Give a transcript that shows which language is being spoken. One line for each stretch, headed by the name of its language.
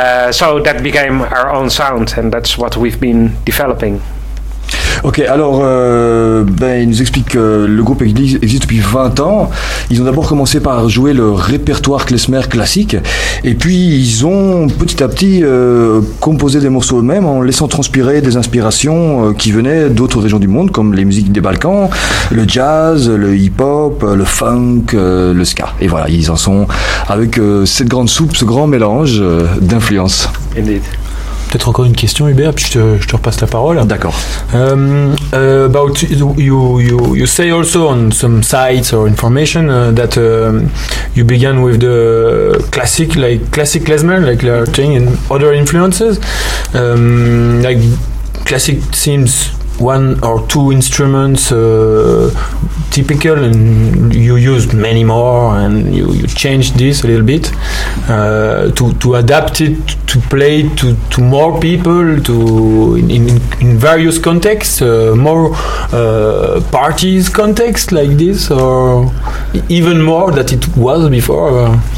English: So that became our own sound, and that's what we've been developing.
French: Ok, alors il nous explique que le groupe existe depuis 20 ans. Ils ont d'abord commencé par jouer le répertoire klezmer classique, et puis ils ont petit à petit composé des morceaux eux-mêmes, en laissant transpirer des inspirations qui venaient d'autres régions du monde, comme les musiques des Balkans, le jazz, le hip-hop, le funk, le ska. Et voilà, ils en sont avec cette grande soupe, ce grand mélange d'influences.
English: Indeed.
French: Peut-être encore une question, Hubert, puis je te repasse la parole. D'accord.
English: About you say also on some sites or information that you began with the classic klezmer, like the thing, and other influences. Like classic seems one or two instruments typical, and you used many more, and you changed this a little bit to adapt it to play to more people, to in various contexts, more parties context like this, or even more than it was before.